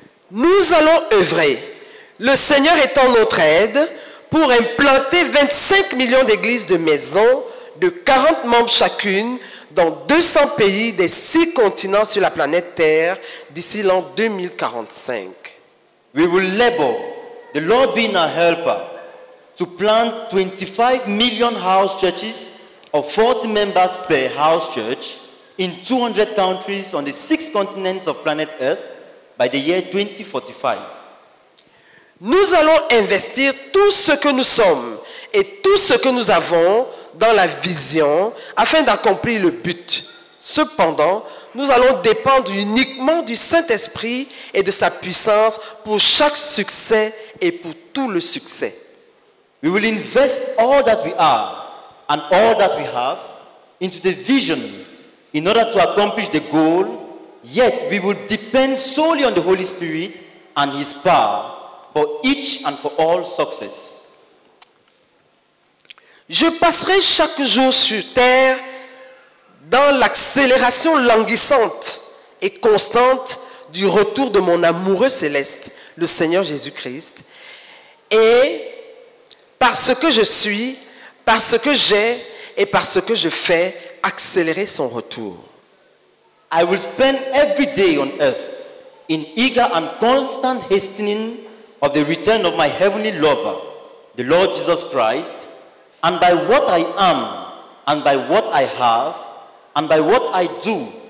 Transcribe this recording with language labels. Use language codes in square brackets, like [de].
[fr] Nous allons œuvrer Le Seigneur est en notre aide pour implanter 25 millions d'églises de maisons de 40 membres chacune dans 200 pays des 6 continents sur la planète Terre d'ici l'an 2045. [en] We will labor, the Lord being our helper, to plant 25 million house churches of 40 members per house church in 200 countries on the 6 continents of planet Earth by the year 2045. [fr] Nous allons investir tout ce que nous sommes et tout ce que nous avons dans la vision afin d'accomplir le but. Cependant, nous allons dépendre uniquement du Saint-Esprit et de sa puissance pour chaque succès et pour tout le succès. [en] We will invest all that we are and all that we have into the vision in order to accomplish the goal, yet we will depend solely on the Holy Spirit and his power for each and for all success. [fr] Je passerai chaque jour sur terre dans l'accélération languissante et constante du retour de mon amoureux céleste, le Seigneur Jésus-Christ. Et parce que je suis, parce que j'ai et parce que je fais accélérer son retour. [en] I will spend every day on earth in eager and constant hastening of the return of my heavenly lover, the Lord Jesus Christ, and by what I am, and by what I have, and by what I do,